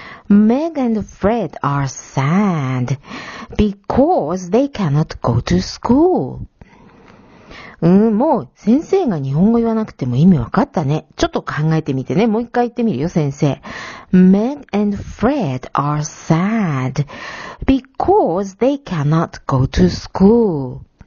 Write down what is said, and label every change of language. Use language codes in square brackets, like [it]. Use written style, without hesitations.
[en] Meg and Fred are sad because they cannot go to school. [ja] もう先生が日本語言わなくても意味わかったね。ちょっと考えてみてね。もう一回言ってみるよ、先生。 [en] Meg and Fred are sad because they cannot go to school.